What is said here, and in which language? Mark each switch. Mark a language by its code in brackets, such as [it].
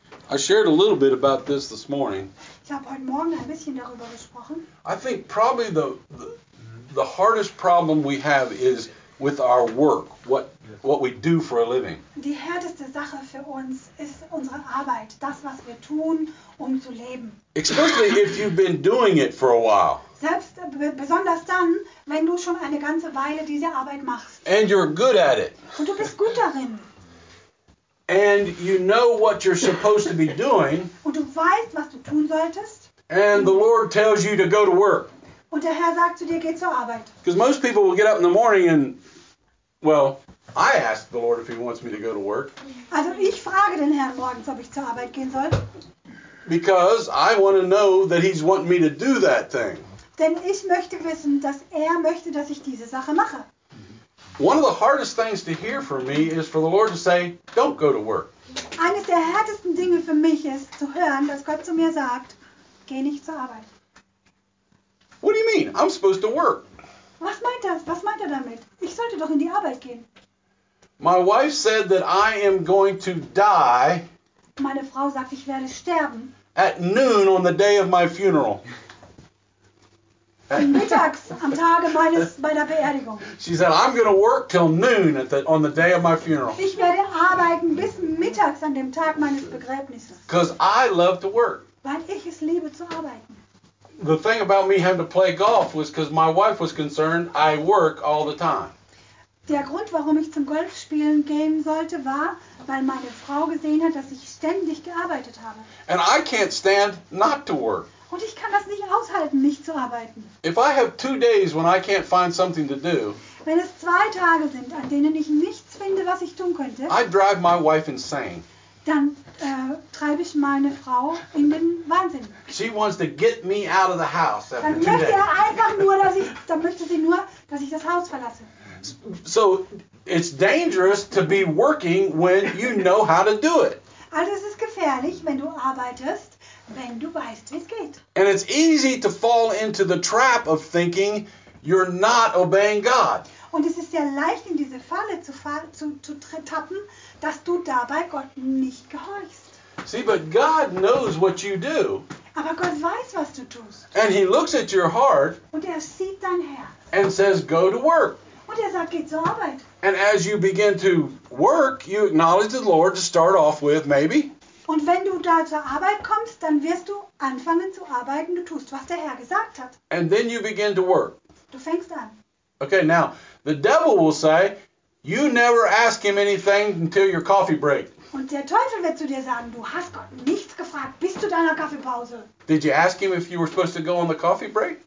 [en] I shared a little bit about this morning. [de] Ich habe heute Morgen ein bisschen darüber gesprochen. [en] I think probably the hardest problem we have is with our work, what we do for a living. [de] Die härteste Sache für uns ist unsere Arbeit, das, was wir tun, um zu leben. [en] Especially if you've been doing it for a while. [de] Selbst besonders dann, wenn du schon eine ganze Weile diese Arbeit machst. [en] And you're good at it. [de] Und du bist gut darin. [en] And you know what you're supposed to be doing. [de] Und du weißt, was du tun solltest. [en] And the Lord tells you to go to work. [de] Und der Herr sagt zu dir, geh zur Arbeit. [en] Because most people will get up in the morning and, well, I ask the Lord if he wants me to go to work. [de] Also ich frage den Herrn morgens, ob ich zur Arbeit gehen soll. [en] Because I want to know that he's wanting me to do that thing. [de] Denn ich möchte wissen, dass er möchte, dass ich diese Sache mache. [en] One of the hardest things to hear for me is for the Lord to say, don't go to work. [de] Eines der härtesten Dinge für mich ist zu hören, dass Gott zu mir sagt, geh nicht zur Arbeit. [en] What do you mean? I'm supposed to work. [de] Was meint das? Was meint er damit? Ich sollte doch in die Arbeit gehen. [en] My wife said that I am going to die. [de] Meine Frau sagt, ich werde sterben. [en] At noon on the day of my funeral. [de] Mittags am Tage meiner Beerdigung. [en] She said, I'm going to work till noon on the day of my funeral. [de] Ich werde arbeiten bis mittags an dem Tag meines Begräbnisses. [en] Because I love to work. [de] Weil ich es liebe zu arbeiten. [en] The thing about me having to play golf was because my wife was concerned I work all the time. [de] Der Grund, warum ich zum Golfspielen gehen sollte, war, weil meine Frau gesehen hat, dass ich ständig gearbeitet habe. [en] And I can't stand not to work. [de] Und ich kann das nicht aushalten, nicht zu arbeiten. [en] If I have 2 days when I can't find something to do, [de] wenn es 2 Tage sind, an denen ich nichts finde, was ich tun könnte, [en] I drive my wife insane. [de] Dann treibe ich meine Frau in den Wahnsinn. [en] She wants to get me out of the house after 2 days. [de] Dann möchte einfach nur, dass ich, dann möchte sie nur, dass ich das Haus verlasse. [en] So it's dangerous to be working when you know how to do it. [de] Also es ist gefährlich, wenn du arbeitest, wenn du weißt, wie es geht. [en] And it's easy to fall into the trap of thinking you're not obeying God. [de] Und es ist sehr leicht, in diese Falle zu tappen, dass du dabei Gott nicht gehorchst. [en] See, but God knows what you do. [de] Aber Gott weiß, was du tust. [en] And he looks at your heart. [de] Und er sieht dein Herz. [en] And says, go to work. [de] Und er sagt, geh zur Arbeit. [en] And as you begin to work, you acknowledge the Lord to start off with, maybe. [de] Und wenn du da zur Arbeit kommst, dann wirst du anfangen zu arbeiten. Du tust, was der Herr gesagt hat. [en] And then you begin to work. [de] Du fängst an. [en] Okay, now, the devil will say, you never ask him anything until your coffee break. [de] Und der Teufel wird zu dir sagen, du hast Gott nichts gefragt bis zu deiner Kaffeepause. [en] Did you ask him if you were supposed to go on the coffee break?